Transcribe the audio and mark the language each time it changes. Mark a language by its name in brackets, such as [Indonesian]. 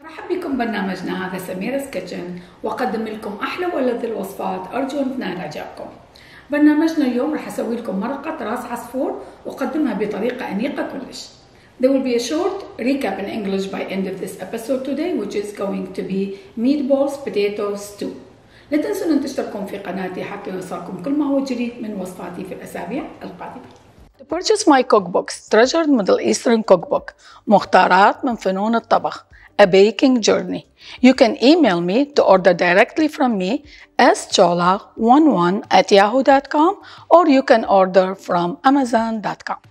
[Arabic] بكم برنامجنا هذا سميرس كيتشن وقدم لكم احلى ولذ الوصفات، ارجو ان تنال اعجابكم. برنامجنا اليوم راح اسوي لكم مرقه راس عصفور واقدمها بطريقه انيقه كلش. [English] There will be a short recap in English by end of this episode today which is going to be meatballs potato stew. [Arabic] لا تنسوا ان تشتركون في قناتي حتى يوصلكم كل ما هو جديد من وصفاتي في الاسابيع القادمه. [English] To purchase my cookbooks, Treasured Middle Eastern Cookbook, مختارات من فنون الطبخ, A Baking Journey, you can email me to order directly from me, schola11@yahoo.com, or you can order from amazon.com.